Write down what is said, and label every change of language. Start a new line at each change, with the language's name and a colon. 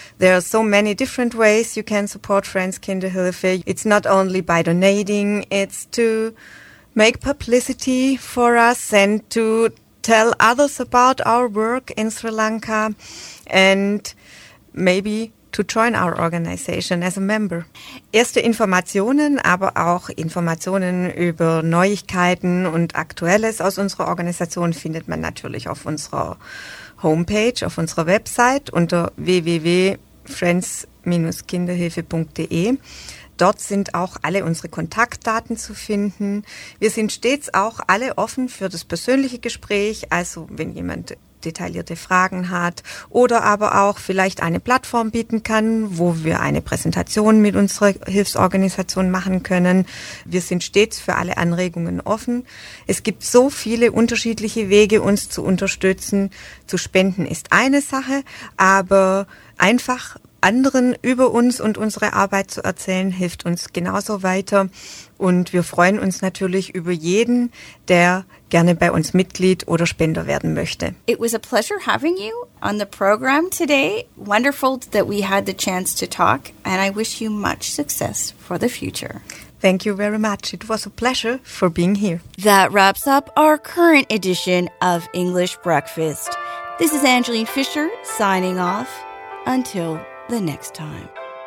English: There are so many different ways you can support Friends Kinderhilfe. It's not only by donating, it's to make publicity for us and to tell others about our work in Sri Lanka and maybe to join our organization as a member.
German: Erste Informationen, aber auch Informationen über Neuigkeiten und Aktuelles aus unserer Organisation findet man natürlich auf unserer Homepage, auf unserer Website unter www.friends-kinderhilfe.de. Dort sind auch alle unsere Kontaktdaten zu finden. Wir sind stets auch alle offen für das persönliche Gespräch, also wenn jemand detaillierte Fragen hat oder aber auch vielleicht eine Plattform bieten kann, wo wir eine Präsentation mit unserer Hilfsorganisation machen können. Wir sind stets für alle Anregungen offen. Es gibt so viele unterschiedliche Wege, uns zu unterstützen. Zu spenden ist eine Sache, aber einfach anderen über uns und unsere Arbeit zu erzählen, hilft uns genauso weiter. Und wir freuen uns natürlich über jeden, der gerne bei uns Mitglied oder Spender werden möchte.
English: It was a pleasure having you on the program today. Wonderful that we had the chance to talk. And I wish you much success for the future. Thank you very much. It was a pleasure for being here. That wraps up our current edition of English Breakfast. This is Angeline Fisher signing off. Until the next time.